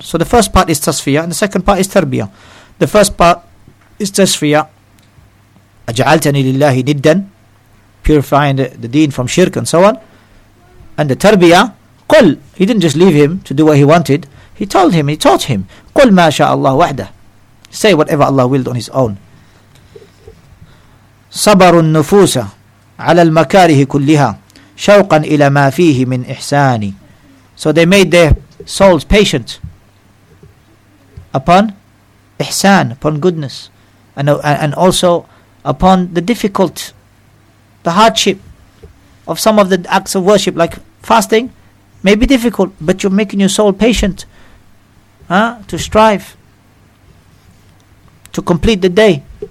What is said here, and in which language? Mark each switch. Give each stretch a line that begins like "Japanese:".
English: So the first part is tasfiyah and the second part is tarbiyah. The first part is tasfiyah,
Arabic: أجعلتني لله ندا,
English: purifying the deen from shirk and so on. And the tarbiyah, قل, he didn't just leave him to do what he wanted. He told him, he taught him,
Arabic: قل ما شاء الله وحده,
English: say whatever Allah willed on his own.
Arabic: صبر النفوس على المكاره كلها شوقا إلى ما فيه من إحسان.
English: So they made their souls patient upon إحسان, upon goodness, and also upon the difficult, the hardship of some of the acts of worship, like fasting may be difficult, but you're making your soul patient, to strive to complete the day.